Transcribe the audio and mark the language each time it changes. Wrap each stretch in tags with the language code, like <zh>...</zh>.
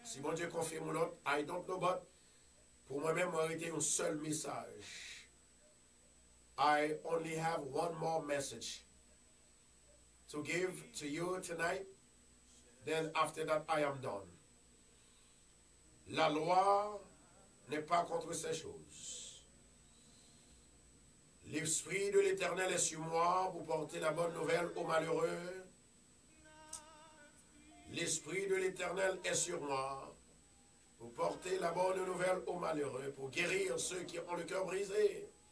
<fr>Si mon Dieu confirme mon autre,</fr> <en>I don't know but,</en> <fr>pour moi-même, mérité un seul message.</fr> <en>I only have one more message to give to you tonight. Then after that, I am done.</en> <fr>La loi n'est pas contre ces choses. L'Esprit de l'Éternel est sur moi pour porter la bonne nouvelle aux malheureux. L'Esprit de l'Éternel est sur moi pour porter la bonne nouvelle aux malheureux, pour guérir ceux qui ont le cœur brisé.</fr>